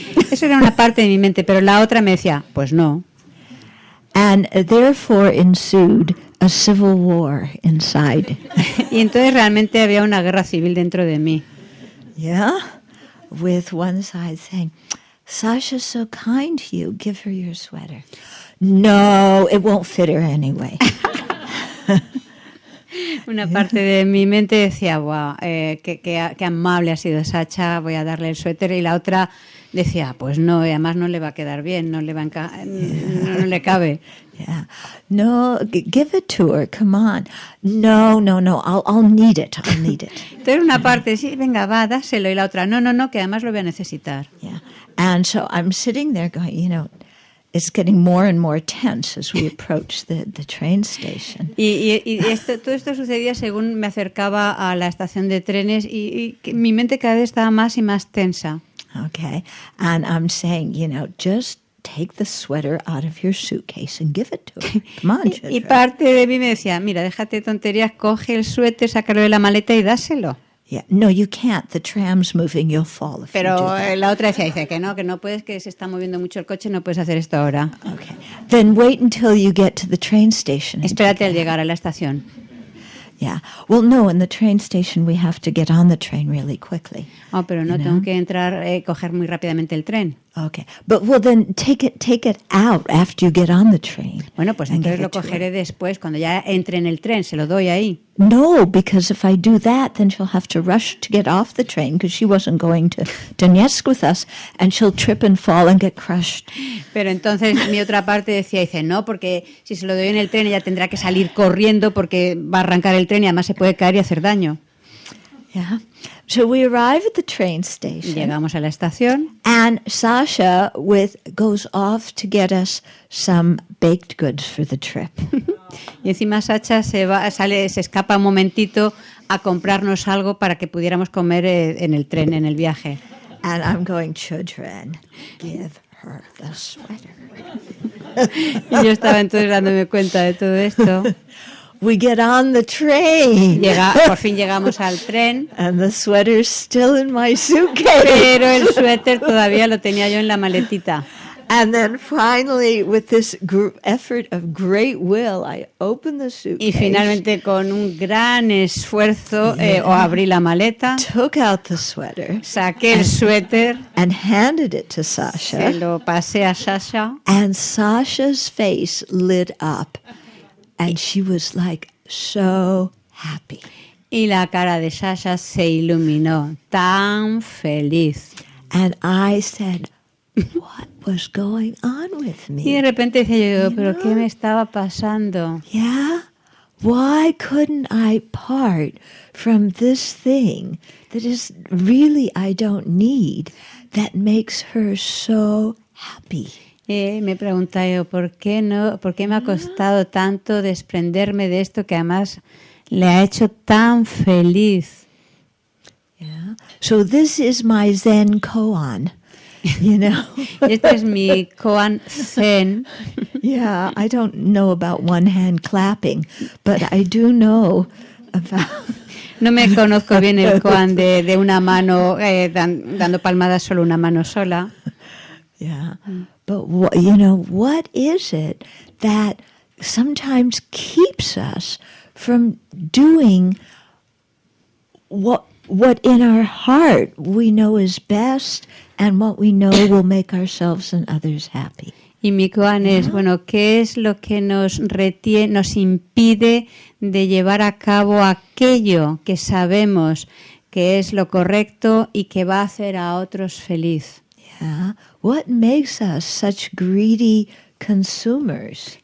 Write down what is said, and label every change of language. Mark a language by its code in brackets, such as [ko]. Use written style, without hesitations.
[es] Eso era una parte de mi mente, pero la otra me decía, pues no. [en] And therefore ensued a civil war inside. [es] Y entonces realmente había una guerra civil dentro de mí. [en] Yeah. With one side saying, Sasha's so kind to you, give her your sweater. No, it won't fit her anyway. [es] Una parte de mi mente decía, wow, qué amable ha sido Sasha, voy a darle el suéter. Y la otra decía, pues no, y además no le va a quedar bien, no le cabe. [en] Yeah. No, give it to her, come on. No, I'll need it. [es] Entonces una parte, sí, venga, va, dáselo. Y la otra, no, que además lo voy a necesitar. [en] Yeah. And so I'm sitting there going, you know, it's getting more and more tense as we approach the train station. [es] Y todo esto sucedía según me acercaba a la estación de trenes y mi mente cada vez estaba más y más tensa. [en] Okay, and I'm saying, you know, just take the sweater out of your suitcase and give it to her. Come on, [es] y parte de mí me decía, mira, déjate tonterías, coge el suéter, sácalo de la maleta y dáselo. [en] Yeah. No, you can't. The tram's moving, you'll fall. [es] Pero la otra dice que no puedes, que se está moviendo mucho el coche, no puedes hacer esto ahora. [en] Okay. Then wait until you get to the train station. [es] Espérate al llegar a la estación. [en] Yeah. Well, no, in the train station we have to get on the train really quickly. [es] Oh, pero no, tengo que entrar, coger muy rápidamente el tren. [en] Okay. But well, then take it out after you get on the train. [es] Bueno, pues entonces lo cogeré después, cuando ya entre en el tren, se lo doy ahí. [en] No, because if I do that, then she'll have to rush to get off the train because she wasn't going to Donetsk with us and she'll trip and fall and get crushed. [es] Pero entonces mi otra parte decía, dice, no, porque si se lo doy en el tren ella tendrá que salir corriendo porque va a arrancar el tren y además se puede caer y hacer daño. [en] Yeah. So we arrive at the train station. [es] Llegamos a la estación. [en] And Sasha goes off to get us some baked goods for the trip. [es] Y encima Sasha se escapa un momentito a comprarnos algo para que pudiéramos comer en el tren, en el viaje. [en] And I'm going, children, give her the sweater. [es] Y yo estaba entonces dándome cuenta de todo esto. [en] We get on the train. [es] Por fin llegamos al tren. [en] And the sweater's still in my suitcase. [es] Pero el suéter todavía lo tenía yo en la maletita. [en] And then finally, with this effort of great will, I open the suitcase. [es] Y finalmente, con un gran esfuerzo, abrí la maleta. [en] Took out the sweater. [es] Saqué el suéter. [en] And handed it to Sasha. [es] Se lo pasé a Sasha. [en] And Sasha's face lit up. And she was like so happy. [es] Y la cara de Sasha se iluminó, tan feliz. [en] And I said, what was going on with me? [es] Y de repente dije yo, pero ¿qué me estaba pasando? [en] Yeah. Why couldn't I part from this thing that is really I don't need that makes her so happy? [es] Me pregunta yo, ¿por qué me ha costado tanto desprenderme de esto que además le ha hecho tan feliz? [en] Yeah. So this is my Zen koan, you know. [es] Este es mi koan Zen. [en] Yeah, I don't know about one hand clapping, but I do know about. [es] No me conozco bien el koan de una mano dando palmadas, solo una mano sola. [en] Yeah. But what is it that sometimes keeps us from doing what what in our heart we know is best and what we know will make ourselves and others happy. [es] Y mi koan es, bueno, ¿qué es lo que nos retiene, nos impide de llevar a cabo aquello que sabemos que es lo correcto y que va a hacer a otros feliz? [en] Yeah. What makes us such greedy consumers?